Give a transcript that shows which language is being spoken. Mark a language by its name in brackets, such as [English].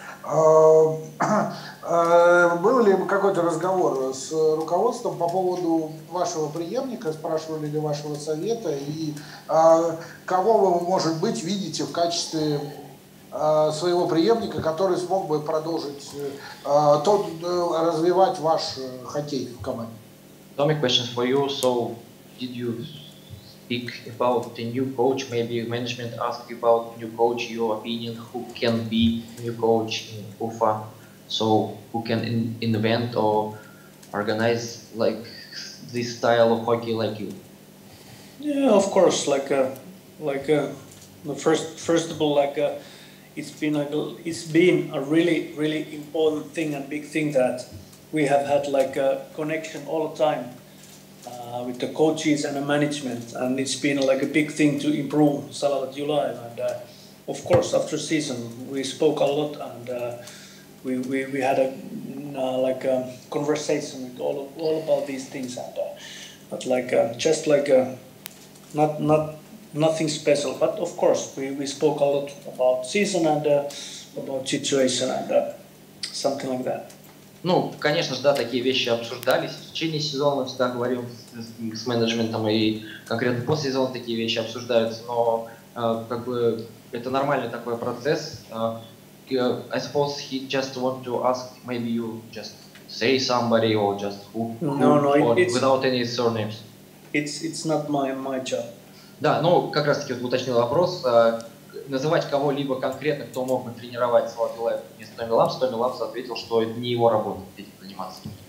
[Russian] Был ли какой-то разговор с руководством по поводу вашего преемника? Спрашивали ли вашего совета? И кого вы, может быть, видите в качестве своего преемника, который смог бы продолжить развивать ваш хоккей в команде. [English] Томик, question for you. So, did you speak about the new coach? Maybe management asked you about new coach, your opinion, who can be new coach in Ufa? So, who can invent or organize like this style of hockey like you? Yeah, of course, like first of all, It's been a really, really important thing and big thing that we have had like a connection all the time with the coaches and the management, and it's been like a big thing to improve Salah at Ulai. And of course, after season, we spoke a lot, and we had a like a conversation with all about these things, and but like just like a not. Nothing special, but of course we spoke a lot about season and about situation and something like that. [Russian] Ну, конечно же, да, такие вещи обсуждались. В течение сезона всегда говорим с менеджментом, и конкретно после сезона такие вещи обсуждаются, но как бы это нормальный такой процесс. [English] I suppose he just want to ask, maybe you just say somebody or just who, without any surnames. It's not my job. [Russian] Да, ну, как раз-таки вот уточнил вопрос. Называть кого-либо конкретно, кто мог бы тренировать Салах Юлаев вместо Томми Лампса, Томми Лампс ответил, что это не его работа этим заниматься.